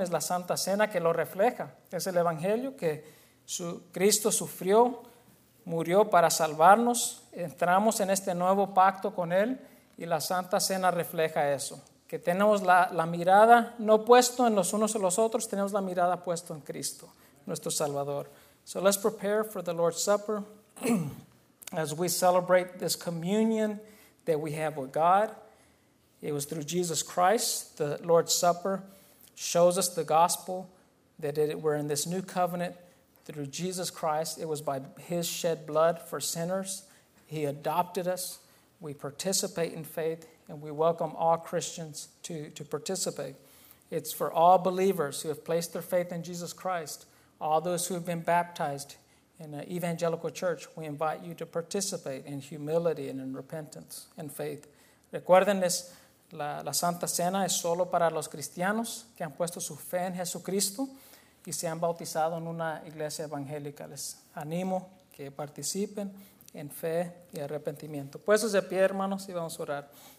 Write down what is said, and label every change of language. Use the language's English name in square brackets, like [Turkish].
[Spanish] Es la Santa Cena que lo refleja. Es el Evangelio que Cristo sufrió, murió para salvarnos. Entramos en este nuevo pacto con Él y la Santa Cena refleja eso. Que tenemos la mirada no puesto en los unos o los otros, tenemos la mirada puesto en Cristo, nuestro Salvador. [English] So let's prepare for the Lord's Supper as we celebrate this communion that we have with God. It was through Jesus Christ, the Lord's Supper shows us the gospel that we're in this new covenant. Through Jesus Christ, it was by His shed blood for sinners. He adopted us. We participate in faith, and we welcome all Christians to participate. It's for all believers who have placed their faith in Jesus Christ, all those who have been baptized in an evangelical church. We invite you to participate in humility and in repentance and faith. [Spanish] Recuerdenles, la Santa Cena es solo para los cristianos que han puesto su fe en Jesucristo y se han bautizado en una iglesia evangélica. Les animo que participen en fe y arrepentimiento. Puestos de pie, hermanos, y vamos a orar.